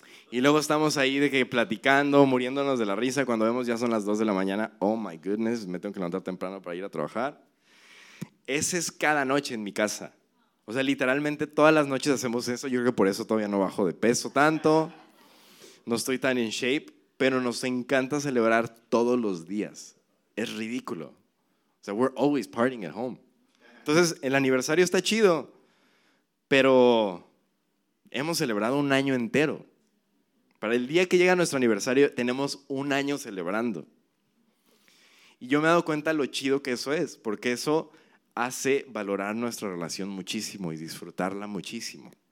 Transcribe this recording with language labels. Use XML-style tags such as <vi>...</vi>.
<es>Y luego estamos ahí de que platicando, muriéndonos de la risa, cuando vemos ya son las 2 de la mañana,</es> <en>oh my goodness,</en> <es>me tengo que levantar temprano para ir a trabajar. Ese es cada noche en mi casa. O sea, literalmente todas las noches hacemos eso, yo creo que por eso todavía no bajo de peso tanto, no estoy tan</es> <en>in shape,</en> <es>pero nos encanta celebrar todos los días. Es ridículo.</es> <en>O sea, we're always partying at home.</en> <es>Entonces, el aniversario está chido, pero hemos celebrado un año entero. Para el día que llega nuestro aniversario, tenemos un año celebrando. Y yo me he dado cuenta lo chido que eso es, porque eso hace valorar nuestra relación muchísimo y disfrutarla muchísimo.</es>